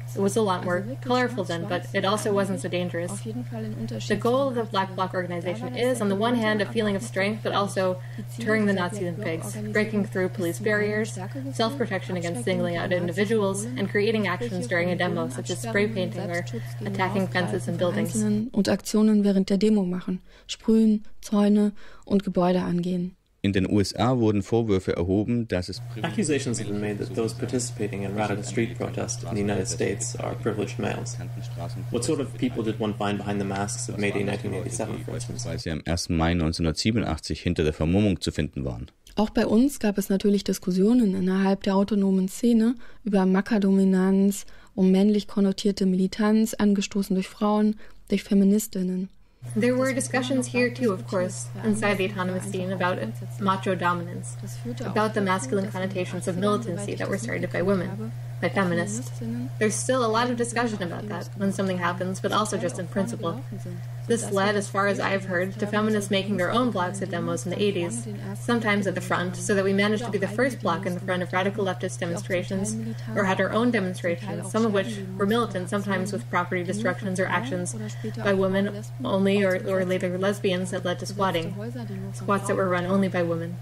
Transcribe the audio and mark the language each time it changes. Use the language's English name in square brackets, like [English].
[English] It was a lot more colorful then, but it also wasn't so dangerous. The goal of the Black Bloc organization is, on the one hand, a feeling of strength, but also deterring the Nazis and pigs, breaking through police barriers, self-protection against singling out individuals, and creating actions during a demo, such as spray painting or attacking fences and buildings. [German] Und Aktionen während der Demo machen, sprühen, Zäune und Gebäude angehen. In den USA wurden Vorwürfe erhoben, dass es [English] Accusations have been made that those participating in radical street protests in the United States are privileged males. What sort of people did one find behind the masks of May Day 1987, for instance? [German] Weil sie am 1. Mai 1987 hinter der Vermummung zu finden waren. Auch bei uns gab es natürlich Diskussionen innerhalb der autonomen Szene über Macker-Dominanz, um männlich konnotierte Militanz, angestoßen durch Frauen, durch Feministinnen. [English] There were discussions here too, of course, inside the autonomous scene about macho dominance, about the masculine connotations of militancy that were started by women, by feminists. There's still a lot of discussion about that when something happens, but also just in principle. This led, as far as I've heard, to feminists making their own blocs at demos in the 80s, sometimes at the front, so that we managed to be the first bloc in the front of radical leftist demonstrations, or had our own demonstrations, some of which were militant, sometimes with property destructions or actions by women only, or later lesbians that led to squatting, squats that were run only by women.